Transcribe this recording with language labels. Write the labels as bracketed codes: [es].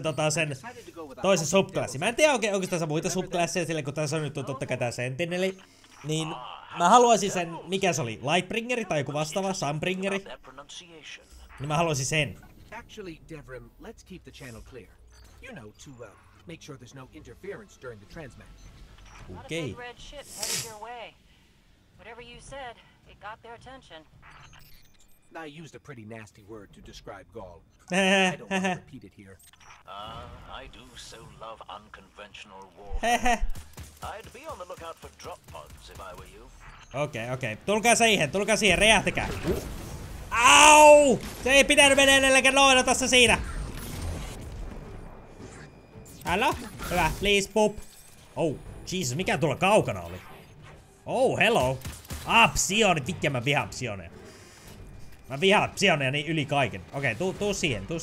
[fi] sen toisen subklassi. Mä en tiedä oikeastaan muita subklassia sille, kun tässä on nyt totta kai tää Sentinel. Niin mä haluaisin sen, mikä se oli, Lightbringeri tai joku vastaava, Sunbringeri. Niin mä haluaisin sen. [en] Actually, Devrim, let's keep the channel clear. You know, to make sure there's no interference during the transmit. Okay. Not a big red ship headed your way. Whatever you said, it got their attention. I used a pretty nasty word to describe Gaul. I don't want to repeat it here. I do so love unconventional warfare. I'd be on the lookout for drop pods if I were you. Okay. [fi] Tulkaa siihen, räjähtäkää. Au! Se ei pitänyt mennä edelläkään noina tässä siinä. Hello? Hyvä, [en] please, poop. [fi] Jesus, mikä tuolla kaukana oli? Hello. Psionit, vittu mä vihaan psioneja. Mä vihaan psioneja niin yli kaiken. Okei, tuu siihen.